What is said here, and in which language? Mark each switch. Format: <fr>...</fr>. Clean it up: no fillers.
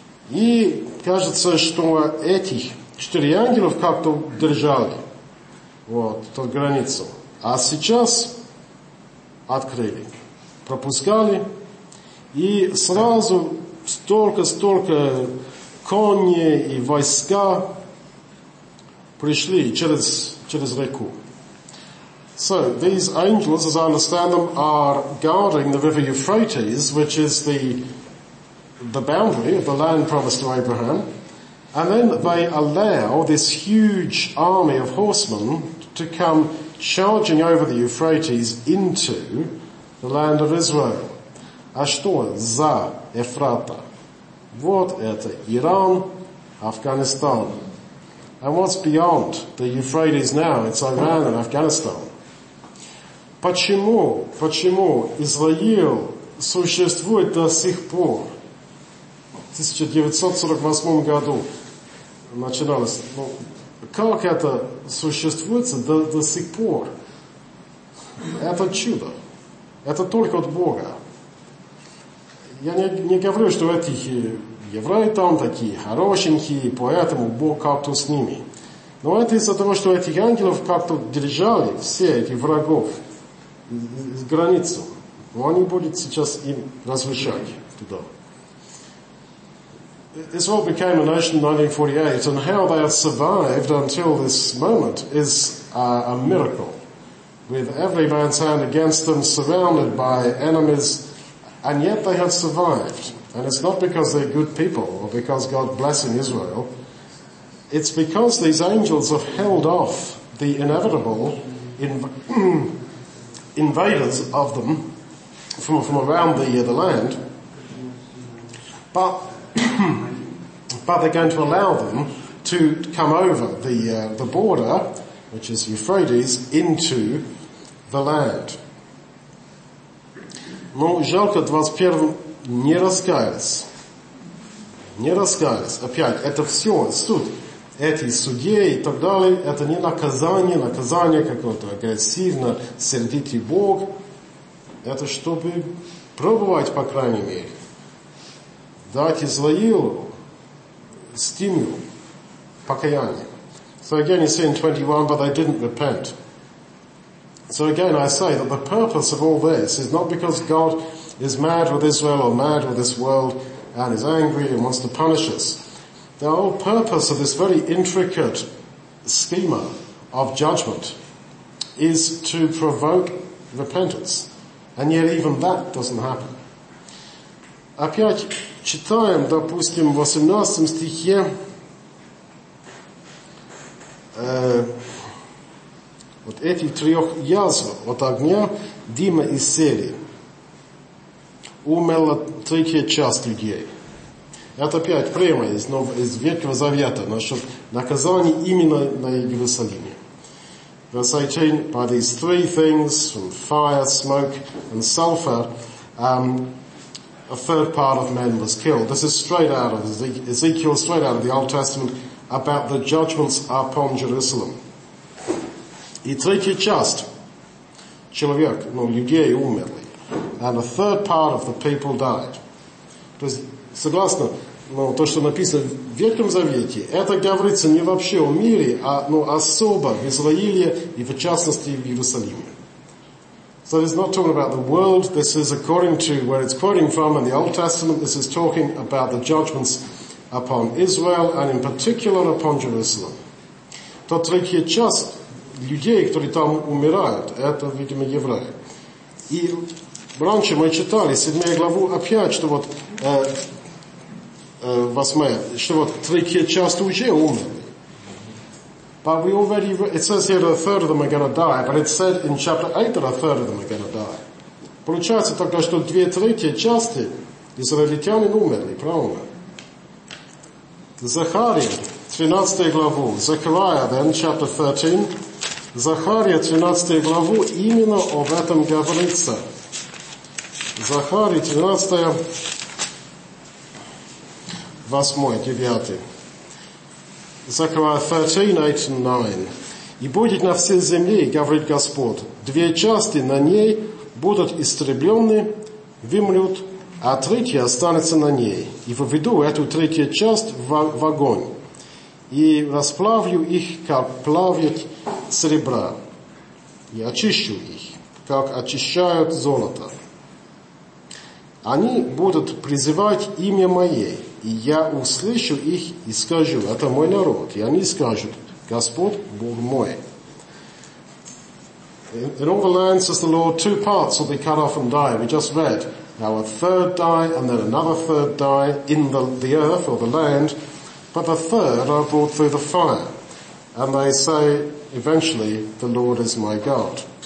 <ru>И кажется, что этих четыре ангелов как-то держали вот эту границу. А сейчас открыли, пропускали, и сразу столько-столько коней и войска пришли через реку.</ru> <en>So, these angels, as I understand them, are guarding the river Euphrates, which is the boundary of the land promised to Abraham, and then they allow this huge army of horsemen to come charging over the Euphrates into the land of Israel.</en> <ru>А что за Эфрата? Вот это Иран, Афганистан.</ru> <en>And what's beyond the Euphrates now? It's Iran and Afghanistan.</en> <ru>Почему Израил существует до сих пор? В 1948 году начиналось. Ну, как это существует до сих пор? Это чудо. Это только от Бога. Я не говорю, что этих евреи там такие хорошенькие, поэтому Бог как-то с ними. Но это из-за того, что этих ангелов как-то держали, все эти врагов, границу. Но они будут сейчас им разрушать туда.</ru> <en>Israel became a nation in 1948, and how they have survived until this moment is a miracle. With every man's hand against them, surrounded by enemies, and yet they have survived. And it's not because they're good people or because God blessing Israel. It's because these angels have held off the inevitable invaders of them from around the land. But they're going to allow them to come over the border, which is Euphrates, into the land.</en> <ru>Ну, жалко, 21-м не раскаялись. Не раскаялись. Опять, это все суд. Эти судьи и так далее, это не наказание. Наказание какое-то агрессивно, сердитый Бог. Это чтобы пробовать, по крайней мере. Дать Израилу стимул, покаяние.</ru> <en>So again, you see in 21, but they didn't repent. So again, I say that the purpose of all this is not because God is mad with Israel or mad with this world and is angry and wants to punish us. The whole purpose of this very intricate schema of judgment is to provoke repentance. And yet even that doesn't happen.</en> <ru>Опять читаем, допустим, в 18 стихе, вот эти трех язв от огня, дыма и сели. Умерла третья часть людей. Это опять прямо из Ветхого Завета насчет наказания именно на Иерусалиме.</ru> <en>Verse 18, by these three things, from fire, smoke and sulfur, a third part of men was killed. This is straight out of Ezekiel, straight out of the Old Testament, about the judgments upon Jerusalem.</en> <ru>И третья часть человек, ну, людей умерли.</ru> <en>And a third part of the people died.</en> <ru>То есть, согласно, ну, то, что написано в Ветхом Завете, это говорится не вообще о мире, а, ну, особо в Израиле и, в частности, в Иерусалиме.</ru> <en>So it's not talking about the world. This is according to where it's quoting from in the Old Testament. This is talking about the judgments upon Israel and in particular upon Jerusalem.</en> <ru>То третья часть людей, которые там умирают, это, видимо, евреи. И раньше мы читали 7 главу опять, что вот 8, что вот третья часть уже умерли.</ru> <en>But we already, it says here that a third of them are going to die, but it said in chapter 8 that a third of them are going to die.</en> <ru>Получается только, что две трети части израильтяне умерли, правильно? Захария, 13 главу, Захария,</ru> <en>then, chapter 13,</en> <ru>Захария, 13 главу, именно об этом говорится. Захария, 13, 8, 9. Закрывая 13:9. «И будет на всей земле, говорит Господь, две части на ней будут истреблены, вымрут, а третья останется на ней. И введу эту третью часть в огонь, и расплавлю их, как плавят серебра, и очищу их, как очищают золото. Они будут призывать имя Мое, и я услышу их и скажу, это мой народ. И они скажут, Господь Бог мой».</ru> <en>In all the lands says the Lord, two parts will be cut off and die. We just read, now a third die and then another third die in the earth or the land, but the third are brought through the fire. And they say, eventually, the Lord is my God.</en>